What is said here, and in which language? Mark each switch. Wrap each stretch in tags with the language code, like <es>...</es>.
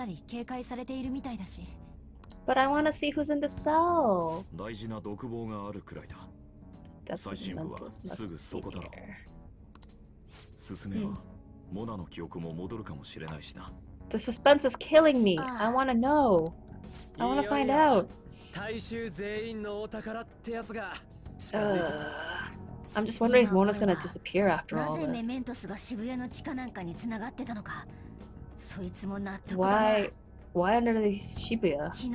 <en>But I wanna see who's in the cell!</en> <ja>大事な独房があるくらいだ。最新部はすぐそこだろ。進めは、モナの記憶も戻るかもしれないしな。</ja> <en>The suspense is killing me! I wanna know! I wanna find out!</en> <ja>大衆全員のお宝ってやつが近づいた。</ja> <en>I'm just wondering if Mona's gonna disappear after all this. Why under the Shibuya?</en>